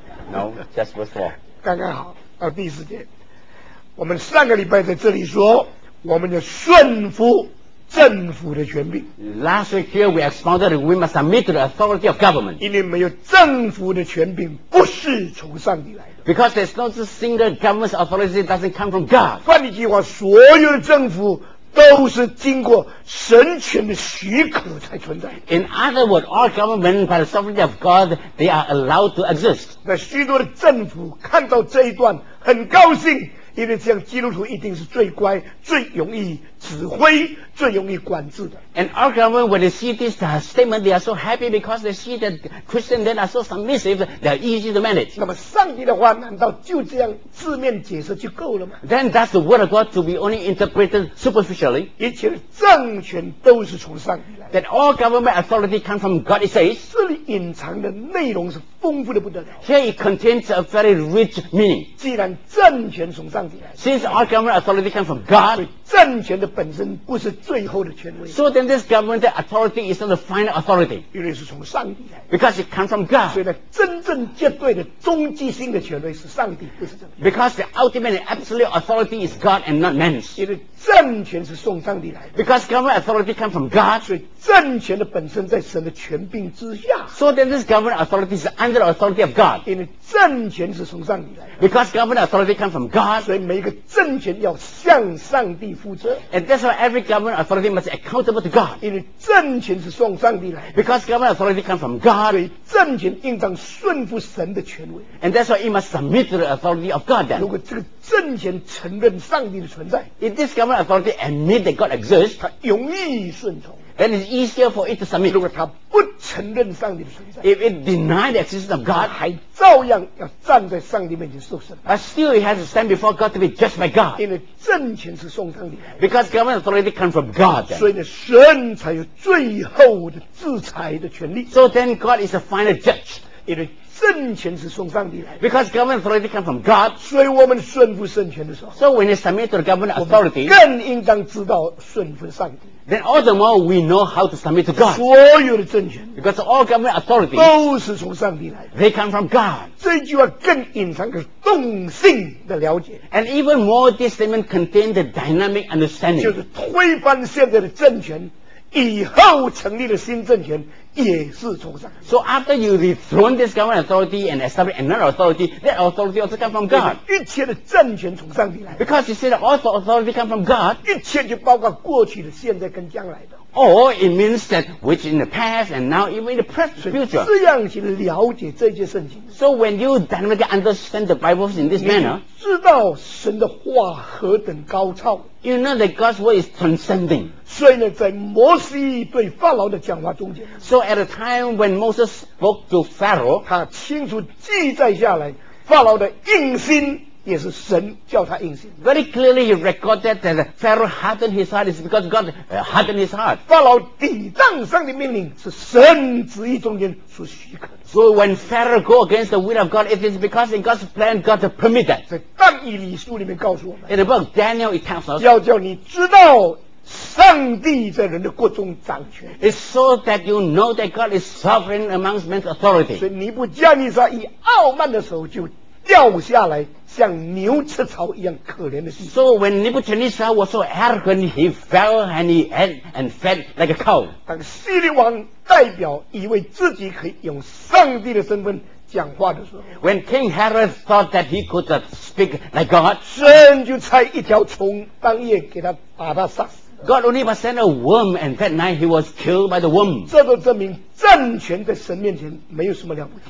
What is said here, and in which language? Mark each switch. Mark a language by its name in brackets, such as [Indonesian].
[English] ？No, just verse four. [Chinese] 刚刚好，到第四节。我们上个礼拜在这里说，我们要顺服政府的权柄。 [English] Last week here we expounded we must submit to the authority of government. [Chinese] 因为没有政府的权柄，不是从上帝来的。 [English] Because there's no such thing that government's authority doesn't come from God. [Chinese] 换一句话，所有的政府都是经过神权的许可才存在。 [English] In other words, all government by the sovereignty of God, they are allowed to exist. [Chinese] 那许多的政府看到这一段很高兴，因为这样基督徒一定是最乖、最容易指挥、最容易管制的。 [English] And all government when they see this statement, they are so happy because they see that Christians then are so submissive, they are easy to manage. [Chinese] 那么上帝的话难道就这样字面解释就够了吗？ [English] Then that's the word of God to be only interpreted superficially. [Chinese] 一切政权都是从上帝来的。 [English] That all government authority comes from God, it says. [Chinese] 这里隐藏的内容是丰富的不得了。 [English] Here it contains a very rich meaning. [Chinese] 既然政权从上帝来的。 [English] Since all government authority comes from God. [Chinese] 政权的本身不是最后的权威。 [English] So then this government authority is not the final authority. [Chinese] 因为是从上帝来的。 [English] Because it comes from God. [Chinese] 所以呢，真正绝对的终极性的权威是上帝，不是政府。 [English] Because the ultimate and absolute authority is God and not man. [Chinese] 因为政权是从上帝来的。 [English] Because government authority comes from God. [Chinese] 所以政权的本身在神的权柄之下。 [English] So then this government authority is under the authority of God. [Chinese] 因为政权是从上帝来的。 [English] Because government authority comes from God. [Chinese] 所以每一个政权要向上帝负责。 [English] And that's why every government authority must be accountable to God. [Chinese] 因为政权是从上帝来的。 [English] Because government authority comes from God. [Chinese] 所以政权应当顺服神的权威。 [English] And that's why it must submit to the authority of God then. [Chinese] 如果这个政权承认上帝的存在。 [English] If this government authority admit that God exists. [Chinese] 它容易顺从。 [English] Then it's easier for it to submit. [Chinese] 如果他不承认上帝的存在， [English] if it denies the existence of God, [Chinese] 还照样要站在上帝面前受审。 [English] But still, it has to stand before God to be judged by God. [Chinese] 因为政权是从上帝来的。 [English] Because government authority comes from God. [Chinese] 所以呢，神才有最后的制裁的权利。 [English] So then, God is the final judge. [Chinese] 因为政权是从上帝来的。 [English] Because government authority comes from God. [Chinese] 所以我们顺服圣权的时候， [English] so when we submit to the government authority, [Chinese] 更应当知道顺服上帝。 [English] Then all the more we know how to submit to God. [Chinese] 所有的政权 [English] because all government authority [Chinese] 都是从上帝来的。 [English] They come from God. [Chinese] 这句话更隐藏着动性的了解。 [English] And even more, this statement contains the dynamic understanding. [Chinese] 就是推翻现在的政权，以后成立的新政权也是从上帝。 [English] So after you dethrone this government authority and establish another authority, that authority also comes from God. [Chinese] 一切的政权从上帝来。 [English] Because you see that all the authority comes from God. [Chinese] 一切就包括过去的、现在跟将来的。 [English] Or it means that which in the past and now even in the present future. [Chinese] 这样去了解这些圣经。 [English] So when you dynamically understand the Bibles in this manner, [Chinese] 你知道神的话何等高超。 [English] You know that God's word is transcending. [Chinese] 所以呢，在摩西对法老的讲话中间。 [English] So at a time when Moses spoke to Pharaoh, [Chinese] 他清楚记载下来法老的硬心。也是神叫他硬心。 [English] Very clearly he recorded that Pharaoh hardened his heart is because God hardened his heart. [Chinese] 法老抵挡上帝命令是神旨意中间所许可。 [English] So when Pharaoh go against the will of God, it is because in God's plan, God to permit that. [Chinese] 在但以理书里面告诉我们。 [English] In the book Daniel it tells us. [Chinese] 要叫你知道上帝在人的国中掌权。 [English] It's so that you know that God is sovereign amongst men's authority. [Chinese] 所以尼布加尼撒以傲慢的手就掉下来像牛吃草一样可怜的心。 [English] So when Nebuchadnezzar was so arrogant, he fell and he ate and fed like a cow. [Chinese] 当西律王代表以为自己可以用上帝的身份讲话的时候， [English] When King Herod thought that he could speak like God, [Chinese] 神就差一条虫当夜给他把他杀死。 [English] God only must send a worm, and that night he was killed by the worm. [Chinese] 这都证明政权在神面前没有什么了不起。